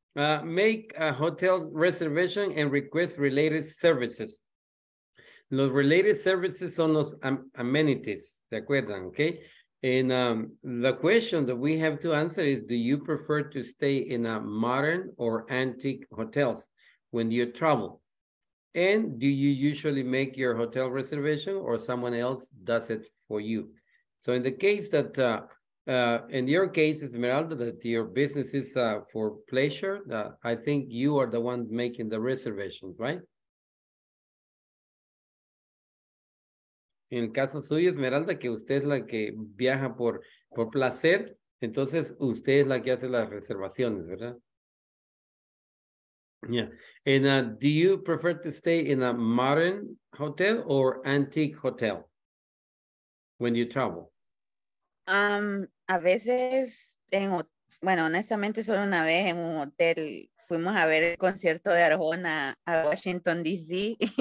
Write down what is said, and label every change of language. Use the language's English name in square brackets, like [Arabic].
[English] Make a hotel reservation and request related services. [Spanish] Los related services son los amenities, ¿te acuerdan? [English] Okay. And the question that we have to answer is, do you prefer to stay in a modern or antique hotels when you travel? And do you usually make your hotel reservation or someone else does it for you? So in the case that, in your case, Esmeralda, that your business is for pleasure, I think you are the one making the reservations, right? [Spanish] En el caso suyo, Esmeralda, que usted es la que viaja por placer, entonces usted es la que hace las reservaciones, ¿verdad? [English] Yeah. And do you prefer to stay in a modern hotel or antique hotel when you travel? [Spanish] A veces, honestamente, solo una vez en un hotel fuimos a ver el concierto de Arjona a Washington, D.C.,